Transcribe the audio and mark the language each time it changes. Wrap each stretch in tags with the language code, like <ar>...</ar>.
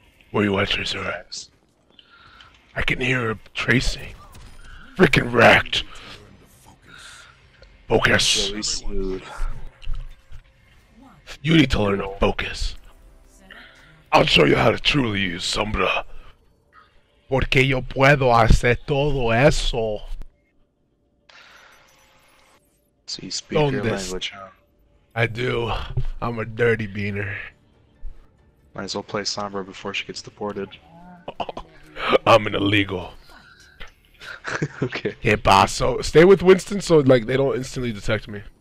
<en>Where you at, Tracer? I can hear her tracing. Freaking wrecked. Focus. Really smooth. You need to learn to focus. I'll show you how to truly use Sombra.</en> <es>Porque yo puedo hacer todo eso.</es> <en>So you speak your language, huh? I do. I'm a dirty beaner. Might as well play Sombra before she gets deported. I'm an illegal. Okay. Hey, boss. So stay with Winston so like they don't instantly detect me.</en>